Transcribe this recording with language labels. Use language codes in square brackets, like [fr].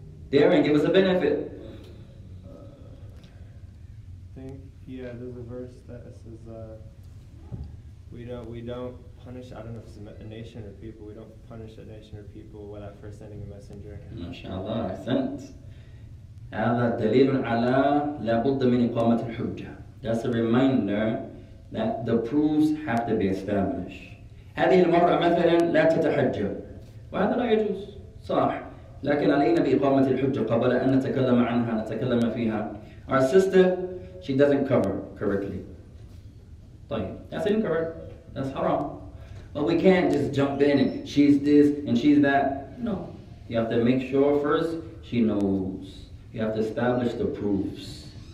[en] Darren, give us a benefit. I think there's a verse that says, we don't punish, I don't know if it's a nation or people, we don't punish a nation or people without first sending a messenger. Mashallah, I sent. [ar] هذا دليل على لابد من إقامة الحجة. [en] That's a reminder that the proofs have to be established. [ar] هذه المرأة مثلا لا تتحجب وهذا لا يجوز صح لكن علينا بإقامة الحجة قبل أن نتكلم عنها نتكلم فيها. [en] Our sister, she doesn't cover correctly. طيب, that's incorrect. That's haram. But we can't just jump in and she's this and she's that. No. You have to make sure first she knows. You have to establish the proofs.